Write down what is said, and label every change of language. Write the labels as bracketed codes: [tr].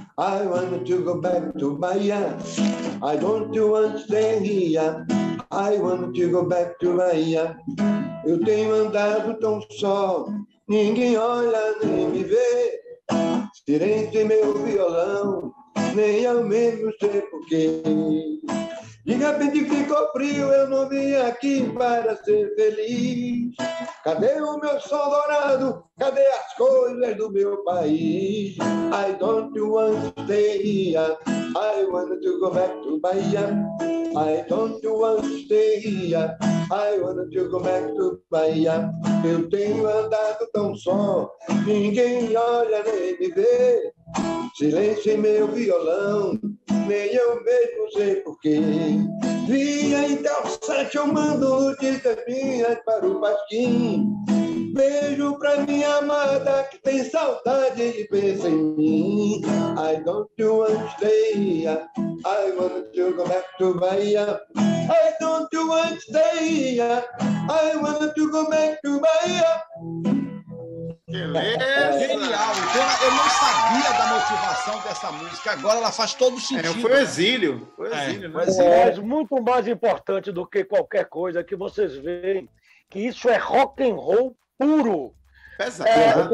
[en] I want to go back to Bahia. I don't want to stay here. I want to go back to Bahia. [pt] Eu tenho andado tão só, ninguém olha nem me vê. Tirei meu violão, nem ao menos sei porquê. De repente ficou frio, eu não vim aqui para ser feliz. Cadê o meu sol dourado? Cadê as coisas do meu país? [en] I don't want to stay here. I want to go back to Bahia. I don't want to stay here. I want to go back to Bahia. [pt] Eu tenho andado tão só, ninguém olha nem me vê. Silêncio em meu violão, nem eu mesmo sei porquê. Vinha então, sete, eu mando notícias minhas para o Pasquim. Beijo pra minha amada que tem saudade e pensa em mim. [en] I don't want to stay here. I want to go back to Bahia. I don't want to stay here. I want to go back to Bahia. [pt] Genial! Então, eu não sabia da motivação dessa música, agora ela faz todo sentido. Foi o exílio. Foi o exílio, né? Mas muito mais importante do que qualquer coisa que vocês veem, que isso é rock and roll puro. Pesado.